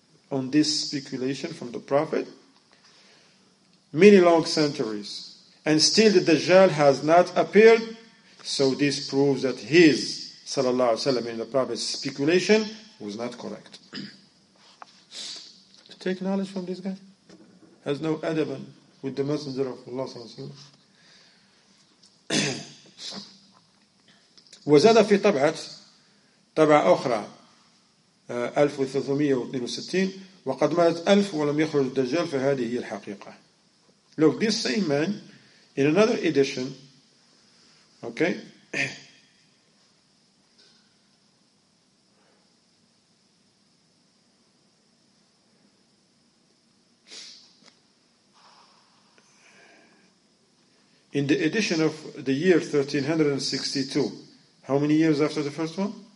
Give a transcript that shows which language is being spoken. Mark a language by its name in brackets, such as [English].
[English] On this speculation from the Prophet. Many long centuries, and still the Dajjal has not appeared. So this proves that his, sallallahu alaihi wasallam, in the Prophet's speculation was not correct. To take knowledge from this guy has no adab with the Messenger of Allah sallallahu alaihi wasallam. [Arabic] وزاد في طبعة طبعة أخرى 1362 وقد مات ألف ولم يخرج الدجال فهذه هي الحقيقة. [English] Look, this same man, in another edition, okay, in the edition of the year 1362, how many years after the first one?